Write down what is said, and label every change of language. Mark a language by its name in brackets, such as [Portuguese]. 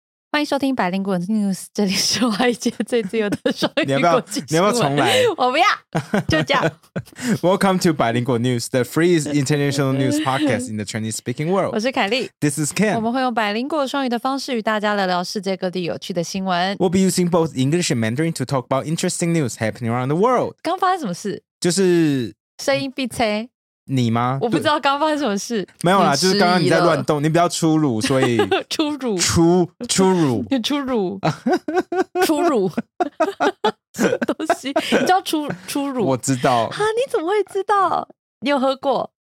[Chinese] 欢迎收听百灵果 news， 这里是外界最自由的双语国际新闻。你要不要重来？我不要，就这样。 [English] Welcome to 百灵果 news， the freest international news podcast in the Chinese speaking world。 [Chinese] 我是凯莉 [English] ，This is Ken。 [Chinese] 我们会用百灵果双语的方式与大家聊聊世界各地有趣的新闻。 [English] We'll be using both English and Mandarin to talk about interesting news happening around the world。 [Chinese] 刚发生什么事？就是声音闭嘴。你吗？我不知道刚发生什么事。没有啦，就是刚刚你在乱动，你比较粗鲁，所以粗鲁粗鲁粗鲁粗鲁东西，你知道粗鲁？我知道啊，你怎么会知道？你有喝过？